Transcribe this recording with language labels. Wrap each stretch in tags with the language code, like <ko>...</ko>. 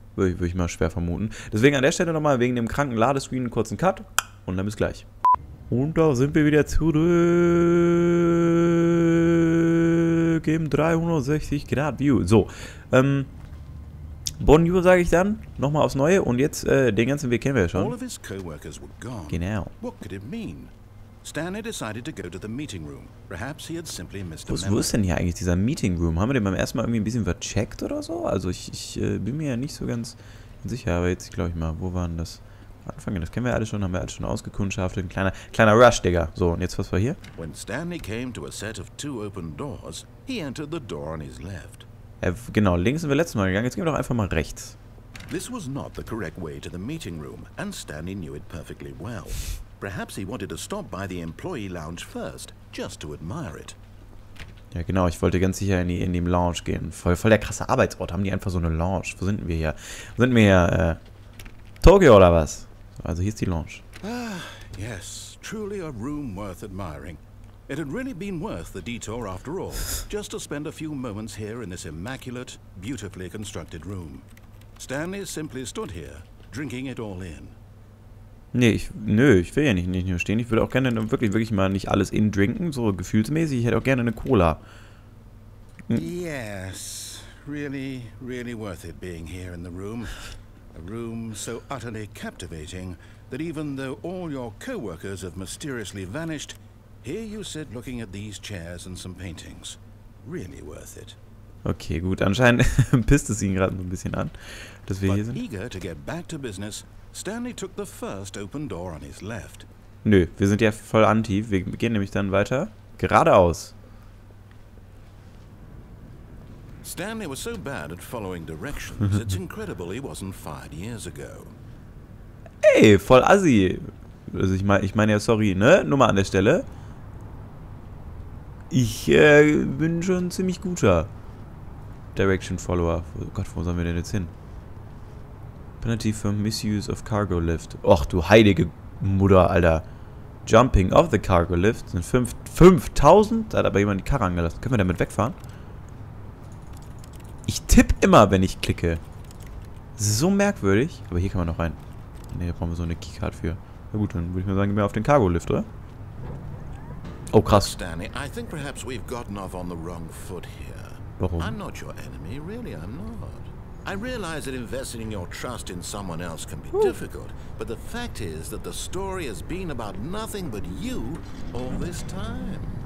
<de>Würde ich mal schwer vermuten. Deswegen an der Stelle nochmal wegen dem kranken Ladescreen einen kurzen Cut und dann bis gleich. Und da sind wir wieder zurück im 360-Grad-View. So, Bonjour sage ich dann, nochmal aufs Neue und jetzt den ganzen Weg kennen wir ja schon.</de> <en>All of his co-workers were gone.</en> <de>Genau.</de> <en>What could it mean? Stanley decided to go to the meeting room. Perhaps he had simply missed a memo.</en> <de>Wo ist denn hier eigentlich dieser Meeting Room? Haben wir den beim ersten Mal irgendwie ein bisschen vercheckt oder so? Also ich bin mir ja nicht so ganz sicher, aber jetzt glaube ich mal, wo waren das? Anfangen, das kennen wir alle schon, haben wir alle schon ausgekundschaftet. Ein kleiner Rush, Digga. So, und jetzt was war hier?</de> <en>When Stanley came to a set of two open doors, he entered the door on his left.</en> <de>Genau, links sind wir letztes Mal gegangen, jetzt gehen wir doch einfach mal rechts.</de> <en>This was not the correct way to the meeting room, and Stanley knew it perfectly well. Perhaps he wanted to stop by the employee lounge first, just to admire it.</en> <de>Ja genau, ich wollte ganz sicher in die Lounge gehen. Voll der krasse Arbeitsort, haben die einfach so eine Lounge. Wo sind wir hier? Sind wir hier, Tokio oder was? Also hier ist die Lounge.</de> <en>Ah, yes, truly a room worth admiring. It had really been worth the detour after all, just to spend a few moments here in this immaculate, beautifully constructed room. Stanley simply stood here, drinking it all in.</en> <de>Nee, ich will ja nicht nur stehen. Ich würde auch gerne wirklich mal nicht alles in drinken, so gefühlsmäßig. Ich hätte auch gerne eine Cola.</de> <en>Yes, really, really worth it being here in the room. A room so utterly captivating that even though all your co-workers have mysteriously vanished, here you sit looking at these chairs and some paintings. Really worth it.</en> <de>Okay, gut, anscheinend pisst es ihn gerade ein bisschen an, dass wir</de> <en>But</en> <de>hier sind.</de> <en>Eager to get back to business, Stanley took the first open door on his left.</en> <de>Nö, wir sind ja voll anti, wir gehen nämlich dann weiter geradeaus.</de> <en>Stanley was so bad at following directions, it's incredible he wasn't fired years ago.</en> <de>Ey, voll assi. Also ich meine ja, sorry, ne? Nur mal an der Stelle. Ich bin schon ein ziemlich guter Direction-Follower. Oh Gott, wo sollen wir denn jetzt hin?</de> <en>Penalty for misuse of cargo lift.</en> <de>Och, du heilige Mutter, Alter.</de> <en>Jumping off the cargo lift</en> <de>sind 5.000? Da hat aber jemand die Karre angelassen. Können wir damit wegfahren? Ich tippe immer, wenn ich klicke. Das ist so merkwürdig. Aber hier kann man noch rein. Ne, da brauchen wir so eine Keycard für. Na gut, dann würde ich mal sagen, gehen wir auf den Cargo-Lift, oder? Oh, krass.</de> <en>Stanley, I think perhaps we've gotten off on the wrong foot here.</en> <de>Warum?</de> <en>I'm not your enemy, really, I'm not. I realize that investing in your trust in someone else can be difficult. But the fact is that the story has been about nothing but you all this time.</en>